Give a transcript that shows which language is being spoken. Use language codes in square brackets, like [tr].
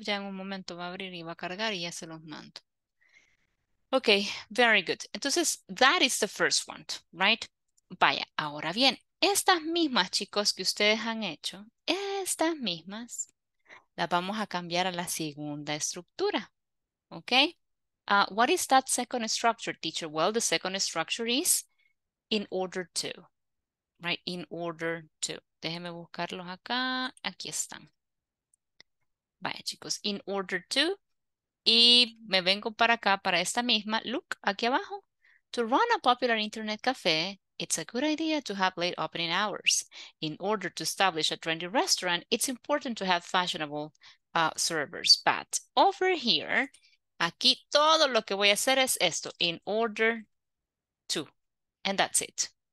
[es] Ya en un momento va a abrir y va a cargar y ya se los mando. [en] Okay, very good. [es] Entonces, [en] that is the first one, right? [es] Vaya, ahora bien, estas mismas, chicos, que ustedes han hecho, estas mismas, la vamos a cambiar a la segunda estructura, ¿ok? [en] What is that second structure, teacher? Well, the second structure is in order to, right? In order to. [es] Déjenme buscarlos acá. Aquí están. Vaya, chicos. In order to. Y me vengo para acá, para esta misma. Look, aquí abajo. [en] To run a popular internet cafe, It's a good idea to have late opening hours. In order to establish a trendy restaurant, it's important to have fashionable servers. But over here, [es] aquí todo lo que voy a hacer es esto, [en] in order to, and that's it.